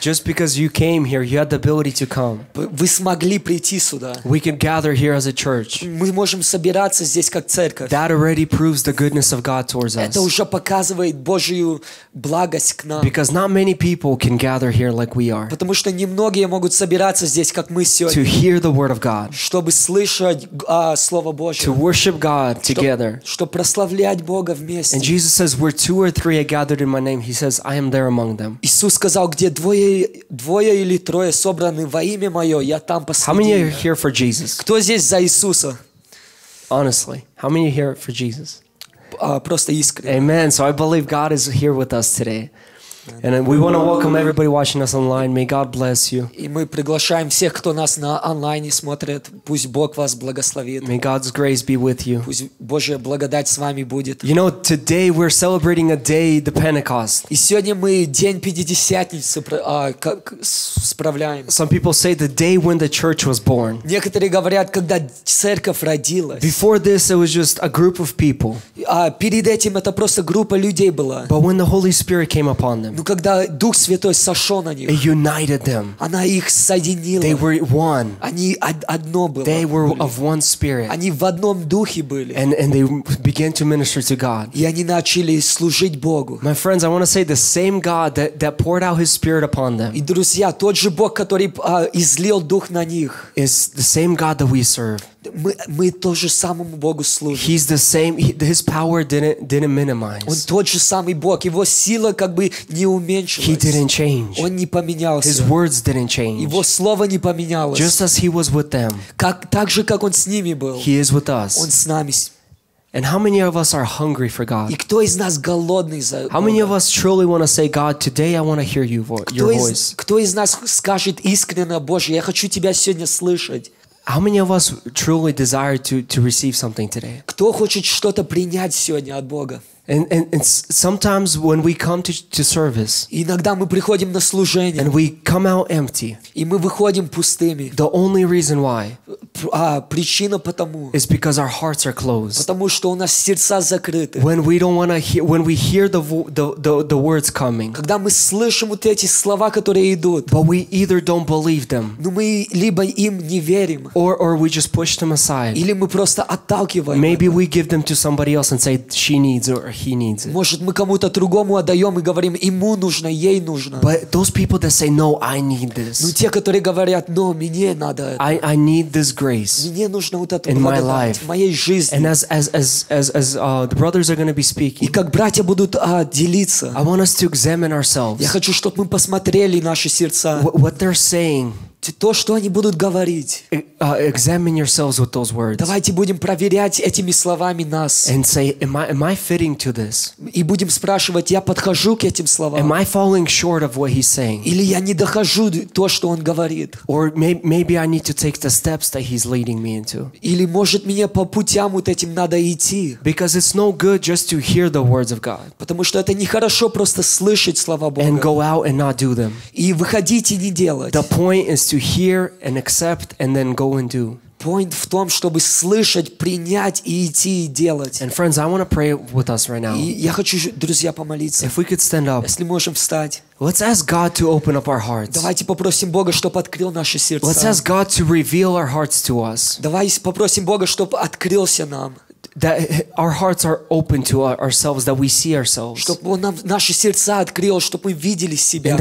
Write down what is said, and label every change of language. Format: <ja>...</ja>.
<en>Just because you came here, you had the ability to come.</en> <ru>Вы смогли прийти сюда.</ru> <en>We can gather here as a church.</en> <ru>Мы можем собираться здесь как церковь.</ru> <en>That already proves the goodness of God towards us.</en> <ru>Это уже показывает Божью благость к нам.</ru> <en>Because not many people can gather here like we are.</en> <ru>Потому что немногие могут собираться здесь как мы сегодня.</ru> <en>To hear the word of God.</en> <ru>Чтобы слышать слово Божье.</ru> <en>To worship God together.</en> <ru>Чтобы прославлять Бога вместе.</ru> <en>And Jesus says, where two or three are gathered in my name, he says, I am there among them.</en> <ru>Иисус сказал, где двое или трое собраны во имя мое, я там посреди.</ru> <en>How many are here for Jesus?</en> <ru>Кто здесь за Иисуса?</ru> <en>Honestly, how many are here for Jesus?</en> <ru>Просто искренне.</ru> <en>Amen. So I believe God is here with us today. And we want to welcome everybody watching us online. May God bless you.</en> <ru>И мы приглашаем всех, кто нас на онлайне смотрит. Пусть Бог вас благословит.</ru> <en>May God's grace be with you.</en> <ru>Пусть Божья благодать с вами будет.</ru> <en>You know, today we're celebrating a day, the Pentecost.</en> <ru>И сегодня мы день Пятидесятницы справляем.</ru> <en>Some people say the day when the church was born.</en> <ru>Некоторые говорят, когда церковь родилась.</ru> <en>Before this, it was just a group of people.</en> <ru>Перед этим это просто группа людей была.</ru> <en>But when the Holy Spirit came upon them.</en> <ru>Но когда Дух Святой сошел на них,</ru> <en>it united them.</en> <ru>Она их соединила.</ru> <en>They were one.</en> <ru>Они одно было.</ru> <en>They were of one spirit.</en> <ru>Они в одном духе были.</ru> <en>And they began to minister to God.</en> <ru>И они начали служить Богу.</ru> <en>My friends, I want to say the same God that poured out His Spirit upon them.</en> <ru>И друзья, тот же Бог, который излил Дух на них,</ru> <en>is the same God that we serve.</en> <ru>Мы тоже самому Богу служим.</ru> <en>He's the same. His power didn't minimize.</en> <ru>Он тот же самый Бог. Его сила как бы не уменьшилась.</ru> <en>He didn't change.</en> <ru>Он не поменялся.</ru> <en>His words didn't change.</en> <ru>Его слово не поменялось.</ru> <en>Just as he was with them.</en> <ru>Как так же как он с ними был.</ru> <en>He is with us.</en> <ru>Он с нами.</ru> <en>And how many of us are hungry for God?</en> <ru>И кто из нас голодный за</ru> <en>How many of us truly want to say, God, today I want to hear you your voice?</en> <ru>Кто из нас скажет искренне, Боже, я хочу тебя сегодня слышать?</ru> <en>How many of us truly desire to receive something today?</en> <ru>Кто хочет что-то принять сегодня от Бога?</ru> <en>And sometimes when we come to service,</en> <ru>иногда мы приходим на служение,</ru> <en>and we come out empty,</en> <ru>и мы выходим пустыми.</ru> <en>The only reason why,</en> <ru>причина потому,</ru> <en>is because our hearts are closed.</en> <ru>Потому что у нас сердца закрыты.</ru> <en>When we don't want to hear, when we hear the words coming,</en> <ru>когда мы слышим вот эти слова, которые идут,</ru> <en>but we either don't believe them,</en> <ru>но мы либо им не верим,</ru> <en>or we just push them aside,</en> <ru>или мы просто отталкиваем.</ru> <en>Maybe we give them to somebody else and say she needs it. He needs it.</en> <ru>Может, мы кому-то другому отдаем и говорим, ему нужно, ей нужно.</ru> <en>But those people that say, no, I need this.</en> <ru>Но те, которые говорят, но мне надо это.</ru> <en>I need this grace.</en> <ru>Мне нужно вот это</ru> <en>in my life.</en> <ru>В моей жизни.</ru> <en>And as the brothers are going to be speaking.</en> <ru>И как братья будут делиться.</ru> <en>I want us to examine ourselves.</en> <ru>Я хочу, чтобы мы посмотрели наши сердца.</ru> <en>What they're saying.</en> <ru>То, что они будут говорить.</ru> <en>Examine yourselves with those words.</en> <ru>Давайте будем проверять этими словами нас.</ru> <en>And say, am I fitting to this?</en> <ru>И будем спрашивать, я подхожу к этим словам.</ru> <en>Am I falling short of what he's saying?</en> <ru>Или я не дохожу то, что он говорит.</ru> <en>Or maybe I need to take the steps that he's leading me into.</en> <ru>Или может мне по путям вот этим надо идти.</ru> <en>Because it's no good just to hear the words of God.</en> <ru>Потому что это нехорошо просто слышать слова Бога.</ru> <en>And go out and not do them.</en> <ru>И выходить и не делать.</ru> <en>The point is to hear and accept and then go and do.</en> <ru>Point в том, чтобы слышать, принять и идти и делать.</ru> <en>And friends, I want to pray with us right now.</en> <ru>И я хочу, друзья, помолиться.</ru> <en>If we could stand up.</en> <ru>Если можем встать.</ru> <en>Let's ask God to open up our hearts.</en> <ru>Давайте попросим Бога, чтобы открыл наши сердца.</ru> <en>Let's ask God to reveal our hearts to us.</en> <ru>Давай попросим Бога, чтобы открылся нам.</ru> <en>That our hearts are open to ourselves, that we see ourselves.</en> <ru>Чтобы он нам наши сердца открыл, чтобы мы видели себя.</ru>